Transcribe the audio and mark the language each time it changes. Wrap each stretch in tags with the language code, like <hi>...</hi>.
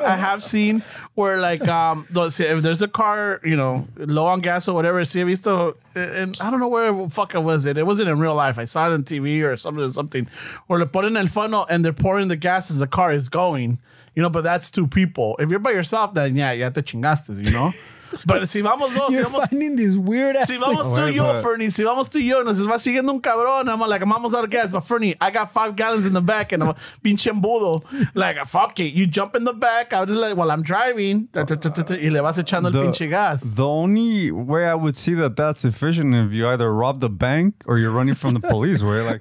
<en>I have seen where like, if there's a car, you know, low on gas or whatever, see, I've</en> <es>visto,</es> <en>and I don't know where the fuck it was. It wasn't in real life. I saw it on TV or something, where they put in el funnel and they're pouring the gas as the car is going. You know, but that's two people. If you're by yourself, then yeah,</en> <es>ya te chingaste,</es> <en>you know? But</en> <es>si vamos dos,</es> <en>you're finding these weird ass.</en> <es>Si vamos tú y yo, Fernie, si vamos tú y yo, nos va siguiendo un cabrón.</es> <en>I'm like,</en> <es>vamos</es> <en>out of gas, but Fernie, I got 5 gallons in the back and I'm</en> <es>pinche embudo.</es> <en>Like, fuck it. You jump in the back. I was like, while I'm driving,</en> <es>y le vas echando el pinche gas.</es> <en>The only way I would see that that's efficient if you either rob the bank or you're running from the police, where you're like,</en>